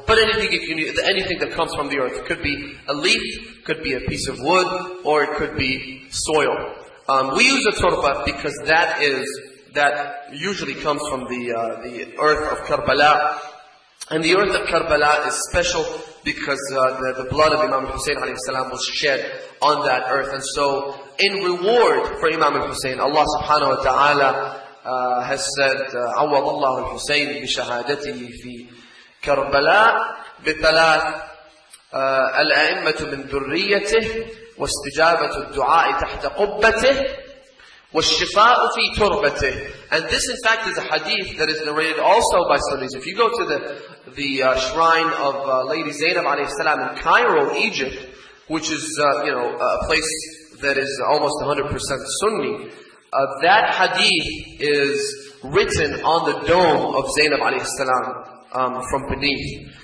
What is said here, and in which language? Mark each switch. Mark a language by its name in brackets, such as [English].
[English] But anything that comes from the earth, it could be a leaf, could be a piece of wood, or it could be soil. We use a turba because that usually comes from the earth of Karbala. And the earth of Karbala is special because the blood of Imam Hussein alayhi salam was shed on that earth. And so in reward for Imam Hussein, Allah subhanahu wa ta'ala has said, [Arabic] عوض الله الحسين بشهادته في كربلاء بثلاث الأئمة من ذريته واستجابة الدعاء تحت قبته والشفاء في تربته. [English] And this in fact is a hadith that is narrated also by Sunnis. If you go to the shrine of Lady Zainab alayhi salam in Cairo, Egypt, which is a place that is almost 100% Sunni, that hadith is written on the dome of Zainab alayhi salam from beneath.